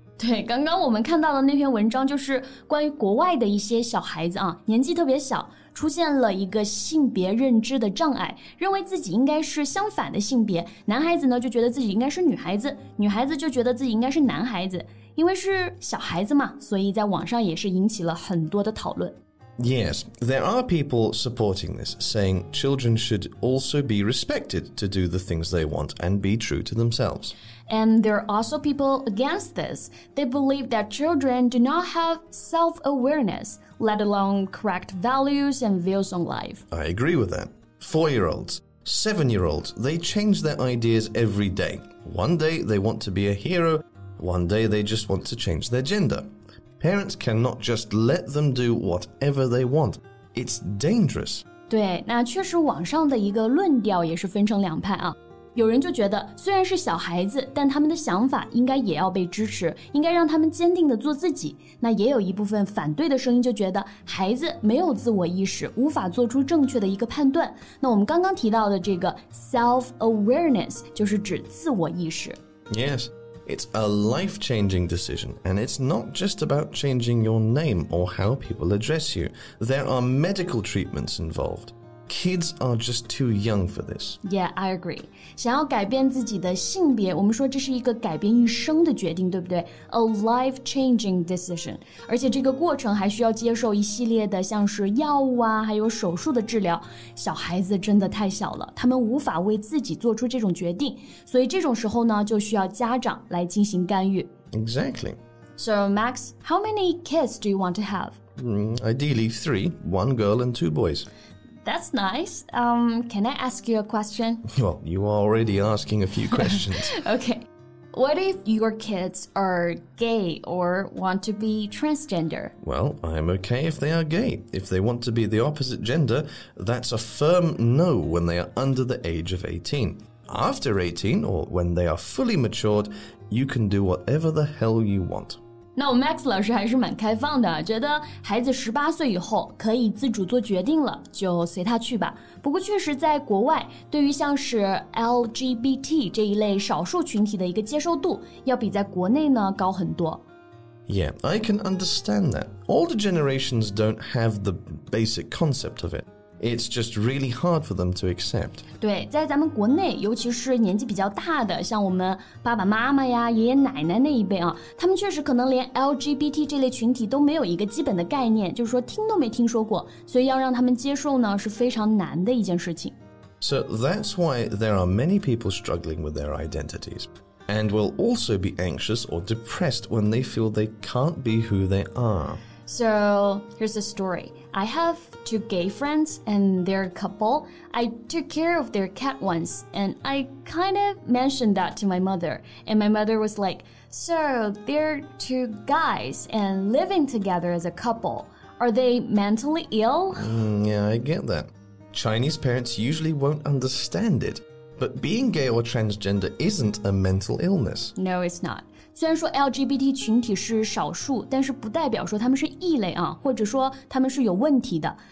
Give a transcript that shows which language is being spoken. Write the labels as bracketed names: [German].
[Chinese] 对，刚刚我们看到的那篇文章就是关于国外的一些小孩子啊，年纪特别小，出现了一个性别认知的障碍，认为自己应该是相反的性别。男孩子呢，就觉得自己应该是女孩子，女孩子就觉得自己应该是男孩子。因为是小孩子嘛，所以在网上也是引起了很多的讨论。 [English] Yes, there are people supporting this, saying children should also be respected to do the things they want and be true to themselves. And there are also people against this. They believe that children do not have self-awareness, let alone correct values and views on life. I agree with that. Four-year-olds, seven-year-olds, they change their ideas every day. One day they want to be a hero, one day they just want to change their gender. Parents cannot just let them do whatever they want. It's dangerous. [Chinese] 对，那确实网上的一个论调也是分成两派啊。有人就觉得，虽然是小孩子，但他们的想法应该也要被支持，应该让他们坚定地做自己。那也有一部分反对的声音就觉得，孩子没有自我意识，无法做出正确的一个判断。那我们刚刚提到的这个 self-awareness 就是指自我意识。 [English] Yes. It's a life-changing decision, and it's not just about changing your name or how people address you. There are medical treatments involved. Kids are just too young for this. Yeah, I agree. [Chinese] 想要改变自己的性别，我们说这是一个改变一生的决定，对不对？ [English] A life-changing decision. [Chinese] 而且这个过程还需要接受一系列的像是药物啊，还有手术的治疗。小孩子真的太小了，他们无法为自己做出这种决定。所以这种时候呢，就需要家长来进行干预。 [English] Exactly. So, Max, how many kids do you want to have? Ideally, three. One girl and two boys. That's nice. Can I ask you a question? Well, you are already asking a few questions. Okay. What if your kids are gay or want to be transgender? Well, I'm okay if they are gay. If they want to be the opposite gender, that's a firm no when they are under the age of 18. After 18, or when they are fully matured, you can do whatever the hell you want. [Chinese] 那我们 Max 老师还是蛮开放的，觉得孩子18岁以后可以自主做决定了，就随他去吧。不过确实在国外，对于像是 LGBT 这一类少数群体的一个接受度，要比在国内呢高很多。 [English] Yeah, I can understand that. Older generations don't have the basic concept of it. It's just really hard for them to accept. [Chinese] 对，在咱们国内，尤其是年纪比较大的，像我们爸爸妈妈呀、爷爷奶奶那一辈啊，他们确实可能连 LGBT 这类群体都没有一个基本的概念，就是说听都没听说过，所以要让他们接受呢，是非常难的一件事情。 [English] So that's why there are many people struggling with their identities. And will also be anxious or depressed when they feel they can't be who they are. So, here's the story. I have two gay friends and they're a couple. I took care of their cat once and I kind of mentioned that to my mother. And my mother was like, so they're two guys and living together as a couple. Are they mentally ill? Yeah, I get that. Chinese parents usually won't understand it. But being gay or transgender isn't a mental illness. No, it's not. [Chinese] 虽然说 LGBT 群体是少数，但是不代表说他们是异类啊，或者说他们是有问题的。